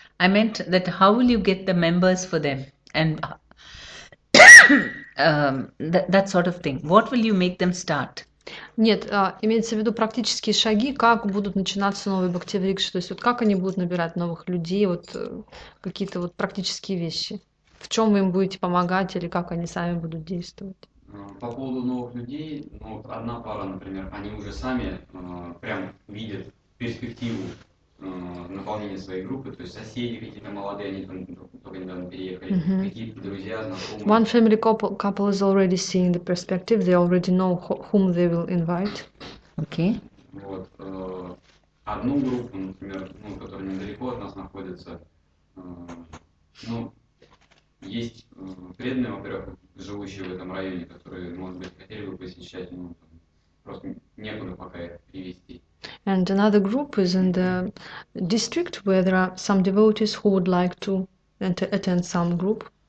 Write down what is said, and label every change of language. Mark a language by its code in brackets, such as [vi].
[en] I meant that how will you get the members for them and that sort of thing. What will you make them start? [ru] Нет, имеется в виду практические шаги, как будут начинаться новые Бхактивриксы, то есть вот как они будут набирать новых людей, вот какие-то вот практические вещи. В чем вы им будете помогать или как они сами будут действовать? По поводу новых людей, ну, вот одна пара, например, они уже сами прям видят перспективу наполнения своей группы, то есть соседи какие-то молодые, они там только недавно переехали, какие-то друзья, [en] One [ru] знакомые. [en] family couple is already seeing the perspective. They already know whom they will invite. [ru] Вот, одну группу, например, ну, которая недалеко от нас находится, ну, есть преданные, во-первых, живущие в этом районе, которые, может быть, хотели бы посещать, но просто некуда пока их привезти. [en] And another group is in the district where there are some devotees who would like to attend some group.